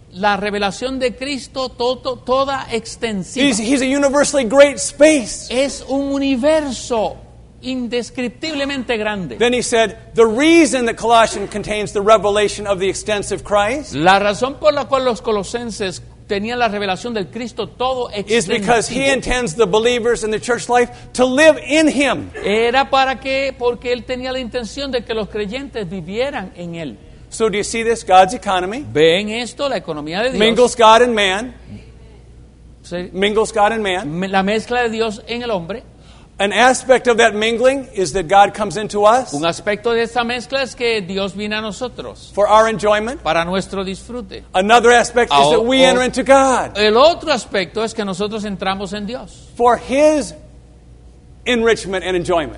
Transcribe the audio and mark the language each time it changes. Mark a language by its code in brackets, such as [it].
[es] La revelación de Cristo toda extensiva. [en] He's a universally great space. [es] Es un universo indescriptiblemente grande. [en] Then he said, the reason that Colossians contains the revelation of the extensive Christ. [es] La razón por la cual los colosenses tenían la revelación del Cristo todo extensivo. [en] Is because he intends the believers in the church life to live in him. [es] Era para que, porque él tenía la intención de que los creyentes vivieran en él. [en] So do you see this? God's economy. [es] ¿Ven esto? La economía de Dios. [en] Mingles God and man. Mingles God and man. [es] La mezcla de Dios en el hombre. [en] An aspect of that mingling is that God comes into us. [es] Un aspecto de esa mezcla es que Dios viene a nosotros. [en] For our enjoyment. [es] Para nuestro disfrute. [en] Another aspect is that we enter into God. [es] El otro aspecto es que nosotros entramos en Dios. [en] For his enrichment and enjoyment.